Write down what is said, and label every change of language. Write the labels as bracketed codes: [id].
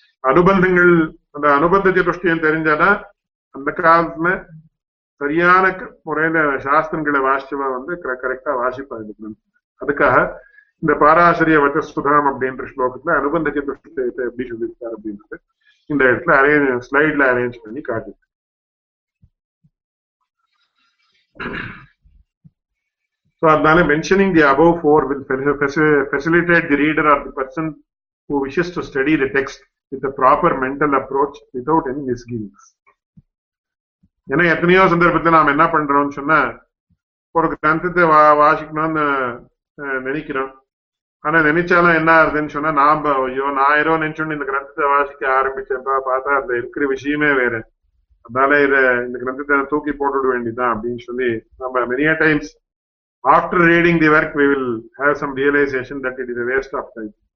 [ta] அனுபந்தங்கள், அந்த அனுபந்த சதுஷ்டயம் தெரிஞ்சாதான் அந்த காலத்துல சரியான முறையில சாஸ்திரங்களை வாசிச்சவா வந்து கரெக்டா வாசிப்பா இருக்கணும். அதுக்காக இந்த பாராசரிய வச்சஸ்துதாம் அப்படின்ற ஸ்லோகத்துல அனுபந்த சதுஷ்டயத்தை எப்படி சொல்லியிருக்காரு அப்படின்றது இந்த இடத்துல ஸ்லைட்ல அரேஞ்ச் பண்ணி காட்டு. [en] So, mentioning the above four will facilitate the reader or the person who wishes to study the text with a proper mental approach without any misgivings. [ta] ஏன்னா எத்தனையோ சந்தர்ப்பத்தில் நாம் என்ன பண்றோம்னு சொன்னா, ஒரு கிரந்தத்தை வாசிக்கணும்னு நினைக்கிறோம், ஆனா நினைச்சாலும் என்ன ஆகுதுன்னு சொன்னா, நாம் ஐயோ நான் ஏதோ நினைச்சோம் இந்த கிரந்தத்தை வாசிக்க ஆரம்பிச்சேன்பா, பார்த்தா அதுல இருக்கிற விஷயமே வேற, அதனால இதை இந்த கிரந்தத்தை தூக்கி போட்டுவிட வேண்டியதான் அப்படின்னு சொல்லி நம்ம [en] many a times after reading the work we will have some realization that it is a waste of time.